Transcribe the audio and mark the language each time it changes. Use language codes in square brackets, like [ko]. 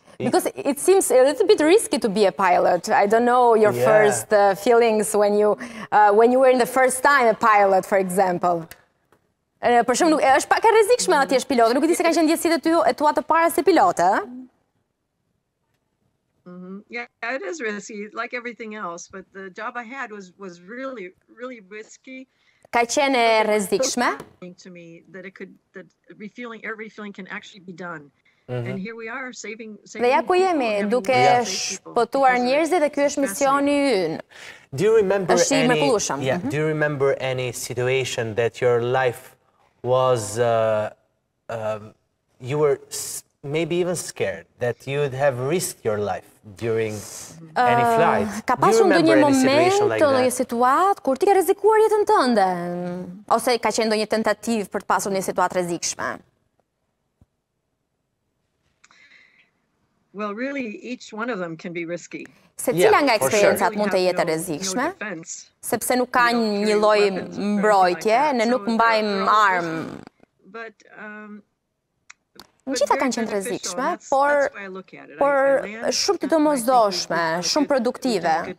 [en] Because it seems a little bit risky to be a pilot. I don't know your first feelings when you were in the first time a pilot, for example. [sq] Për shumë, është pak e rrezikshme atje është pilot, nuk e di se kanë qenë ndjesitë e tua të para si pilot, ëh? [en] Yeah, it is risky, like everything else, but the job I had was really, really risky. [sq] Ka qenë e rrezikshme? [en] To me, that it could, that refueling, air refueling can actually be done. And here we are saving [sq] Dhe ja ku jemi, duke shpëtuar njerëzit dhe ky është misioni ynë. [en] Do you remember do you remember any situation that your life was you were maybe even scared that you'd have risked your life during any flight? [sq] Ka pasur ndonjë moment, ndonjë situatë kur ti ke rrezikuar jetën tënde ose ka qenë ndonjë tentativë për të pasur një situatë rrezikshme? [en] Well, really, each one of them can be risky. [sq] Se cila nga eksperiencat mund të jetë rrezikshme, sepse nuk ka një lloj mbrojtje, ne nuk mbajmë armë. Gjitha kanë qenë rrezikshme, por shumë të domosdoshme, shumë produktive.